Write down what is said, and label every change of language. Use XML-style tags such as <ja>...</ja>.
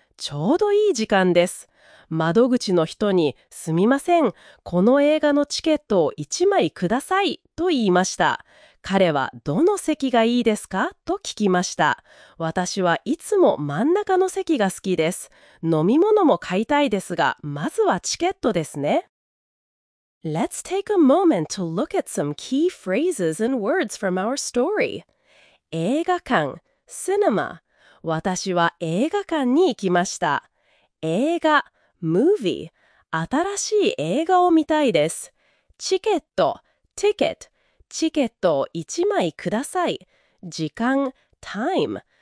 <ja>ちょうどいい時間です。窓口の人に、すみません、この映画のチケットを1枚くださいと言いました。彼はどの席がいいですかと聞きました。私はいつも真ん中の席が好きです。飲み物も買いたいですが、まずはチケットですね。</ja> <en>Let's take a moment to look at some key phrases and words from our story.</en> <ja>映画館、cinema。私は映画館に行きました。映画、movie。新しい映画を見たいです。チケット、ticket。チケットを1枚ください。時間、time。</ja>